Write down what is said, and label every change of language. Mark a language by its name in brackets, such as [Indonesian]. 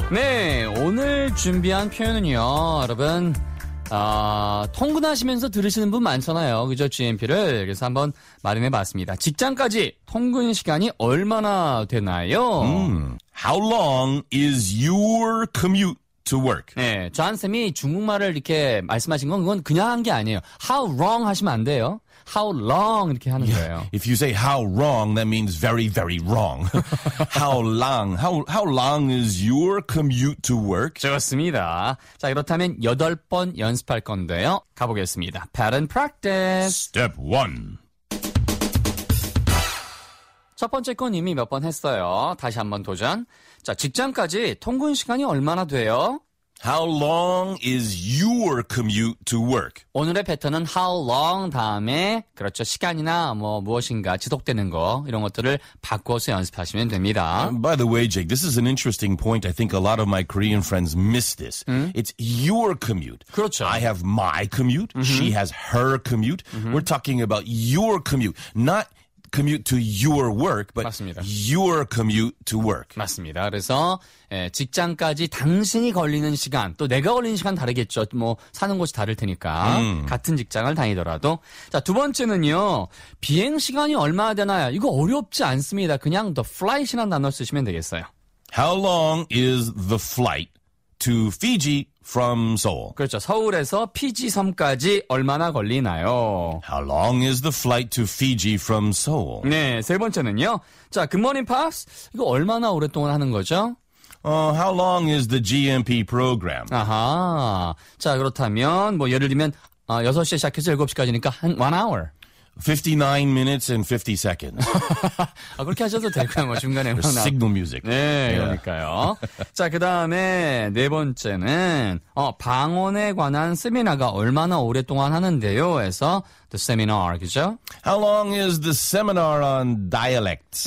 [Korean] 네, 오늘 준비한 표현은요, 여러분, 통근하시면서 들으시는 분 많잖아요. 그죠? GMP를. 그래서 한번 마련해 봤습니다. 직장까지 통근 시간이 얼마나 되나요? [English] How long is your commute? To work. [Korean] 네, 저한 쌤이 중국말을 이렇게 말씀하신 건 그건 그냥 한 게 아니에요. [English] How long [Korean] 하시면 안 돼요. How long 이렇게 하는 거예요. [English] Yeah. If you say how long, that means very, very wrong. How long is your commute to work? [Korean] 좋습니다. 자, 그렇다면 여덟 번 연습할 건데요. 가보겠습니다. [English] Pattern practice. Step one. [Korean] 첫 번째 건 이미 몇 번 했어요. 다시 한번 도전. 자, 직장까지 통근 시간이 얼마나 돼요? [English] How long is your commute to work? [Korean] 오늘의 패턴은 how long 다음에 그렇죠. 시간이나 뭐 무엇인가 지속되는 거 이런 것들을 바꿔서 연습하시면 됩니다. [English] By the way, Jake, this is an interesting point. I think a lot of my Korean friends miss this. 음? It's your commute. [Korean] 그렇죠. [English] I have my commute. 음흠. She has her commute. 음흠. We're talking about your commute, not commute to your work, but [Korean] 맞습니다. [English] Your commute to work. [Korean] 맞습니다. 그래서 예, 직장까지 당신이 걸리는 시간, 또 내가 걸리는 시간 다르겠죠. 뭐 사는 곳이 다를 테니까. 같은 직장을 다니더라도. 자, 두 번째는요. 비행 시간이 얼마나 되나요? 이거 어렵지 않습니다. 그냥 the flight이라는 단어 쓰시면 되겠어요. [English] How long is the flight to Fiji from Seoul? [Korean] 그렇죠. 서울에서 피지 섬까지 얼마나 걸리나요? [English] How long is the flight to Fiji from Seoul? [Korean] 네, 세 번째는요. 자, Good Morning Pops. 이거 얼마나 오랫동안 하는 거죠? [English] How long is the GMP program? 아하. [Korean] 자, 그렇다면 뭐 예를 들면 6시에 시작해서 7시까지니까 한 [English] 1 hour. 59 minutes and 50 seconds. [Korean] 아, 그렇게 하셔도 될까요? 뭐 중간에 뭐 [English] 나... signal music. [Korean] 네, 그러니까요. 자, 그다음에 네 번째는 방언에 관한 세미나가 얼마나 오랫동안 하는데요? 해서 [English] the seminar, [Korean] 그죠? [English] How long is the seminar on dialects?